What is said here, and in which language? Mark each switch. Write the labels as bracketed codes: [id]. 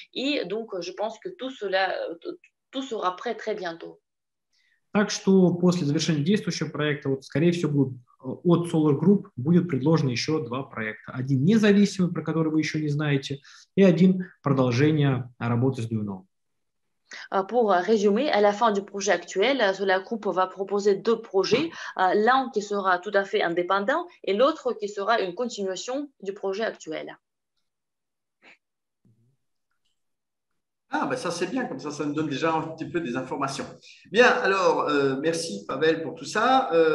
[fr] Et donc, je pense que tout sera prêt très bientôt. [ru] Так что после завершения действующего проекта, вот, скорее всего, будет, от Solar Group будет предложено еще два проекта. Один независимый, про который вы еще не знаете, и один продолжение работы с Duino. [fr] Pour résumer, à la fin du projet actuel, Solar Group va proposer deux projets, l'un qui sera tout à fait indépendant et l'autre qui sera une continuation du projet actuel. Ah, ben ça c'est bien, comme ça, ça nous donne déjà un petit peu des informations. Bien, alors, merci Pavel pour tout ça.